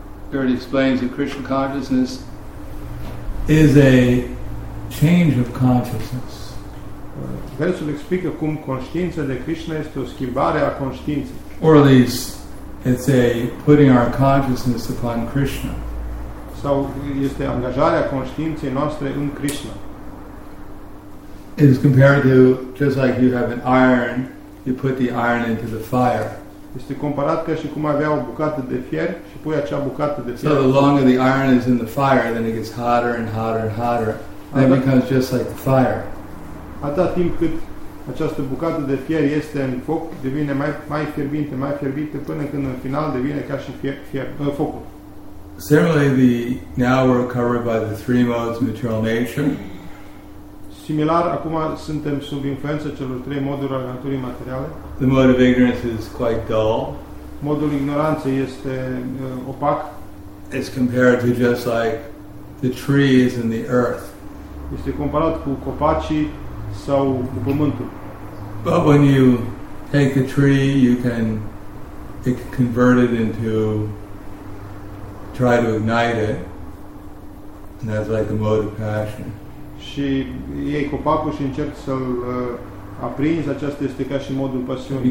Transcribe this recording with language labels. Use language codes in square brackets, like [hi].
[en] Here it explains that Krishna consciousness is a change of consciousness. [ro] Versul explică cum conștiința de Krishna este o schimbare a conștiinței. [en] Or at least, it's a putting our consciousness upon Krishna. [ro] Sau este angajarea conștiinței noastre în Krishna. [en] It is compared to, just like you have an iron, you put the iron into the fire. [ro] Este comparat ca și cum avea o bucată de fier și pui acea bucată de fier. [en] So the longer the iron is in the fire, then it gets hotter and hotter and hotter. Then it becomes just like the fire. [ro] Atâta timp cât această bucată de fier este în foc, devine mai fierbinte, mai fierbinte, până când în final devine ca și focul. [en] Similarly, now we're covered by the three modes of material nature. [ro] Similar, acum suntem sub influența celor trei moduri ale naturii materiale. [en] The mode of ignorance is quite dull. [ro] Modul ignoranței este opac. [en] It's compared to just like the trees and the earth. [ro] Este comparat cu copacii sau cu pământul. [en] But when you take the tree, it can convert it into, try to ignite it, and that's like the mode of passion. [ro] Și iei copacul și încerci să-l aprinzi, aceasta este ca și modul pasiunii.